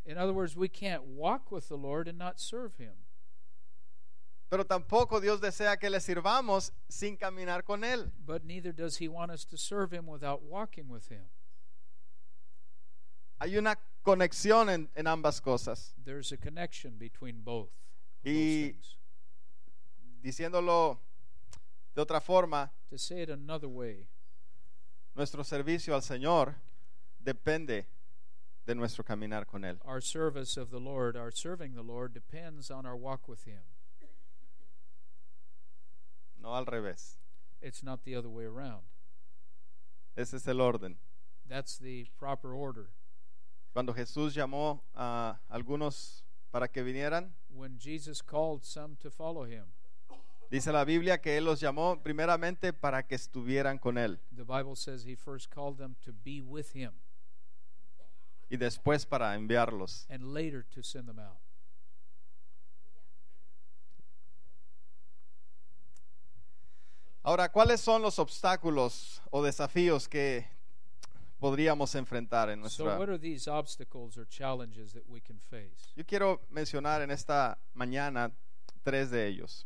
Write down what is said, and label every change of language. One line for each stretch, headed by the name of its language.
English: In other words, we can't walk with the Lord and not serve Him.
Spanish: Pero tampoco Dios desea que le sirvamos sin caminar con Él.
English: But neither does He want us to serve Him without walking with Him.
Spanish: Hay una conexión en ambas cosas.
English: There's a connection between both.
Spanish: Y diciéndolo de otra forma,
English: to say it another way,
Spanish: nuestro servicio al Señor depende de nuestro caminar con Él.
English: Our service of the Lord, our serving the Lord, depends on our walk with Him.
Spanish: No al revés.
English: It's not the other way around.
Spanish: Ese es el orden.
English: That's the proper order.
Spanish: Cuando Jesús llamó a algunos para que vinieran,
English: when Jesus called some to follow Him,
Spanish: dice la Biblia que Él los llamó primeramente para que estuvieran con Él.
English: The Bible says He first called them to be with Him.
Spanish: Y después para enviarlos.
English: And later to send them out.
Spanish: Ahora, ¿cuáles son los obstáculos o desafíos que podríamos enfrentar en nuestra?
English: So what are these obstacles or challenges that we can face?
Spanish: Yo quiero mencionar en esta mañana tres de ellos.